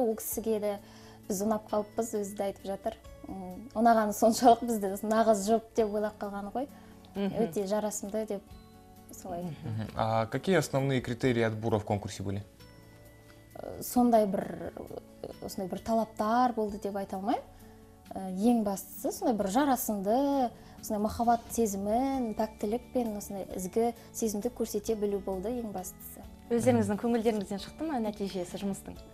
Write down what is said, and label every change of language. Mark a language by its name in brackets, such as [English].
[Kazakh] Ол кісіге де біз ұнап қалыппыз, өзі де айтып жатыр. Ұнағаны соншалық бізді нағыз жұп деп ойлап қалғаны ғой. Өте жарасымды деп солай. [Russian] А какие основные критерии отбора в конкурсе были? [Kazakh] Сондай бір осындай бір талаптар болды деп айта алмаймын. Ең бастысы сондай бір жарасымды, сондай махаббат сезімін, пәктілік пен сондай ізгі сезімді көрсете білу болды ең бастысы. Өздеріңіздің көңілдеріңізден шықты ма нәтижесі жұмыстың?